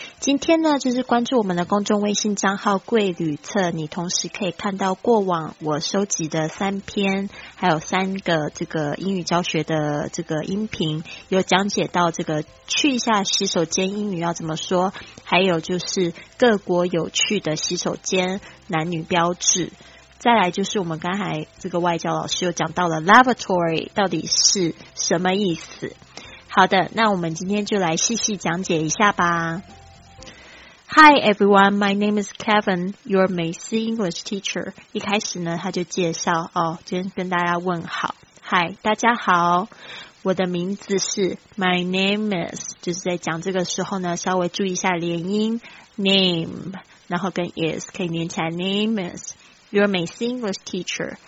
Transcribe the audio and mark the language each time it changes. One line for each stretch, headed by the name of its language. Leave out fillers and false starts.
Chinese: 今天呢，就是关注我们的公众微信账号贵旅册，你同时可以看到过往我收集的三篇还有三个这个英语教学的这个音频，有讲解到这个去一下洗手间英语要怎么说，还有就是各国有趣的洗手间男女标志，再来就是我们刚才这个外教老师又讲到了 lavatory 到底是什么意思。好的，那我们今天就来细细讲解一下吧。
English: Hi everyone, my name is Kevin, your Macy English teacher.
Chinese: 一开始呢，他就介绍哦，今天跟大家问好。 Hi, 大家好，我的名字是 my name is， 就是在讲这个时候呢，稍微注意一下连音 name， 然后跟 is 可以连起来 name is。
English: You're a Macy English teacher.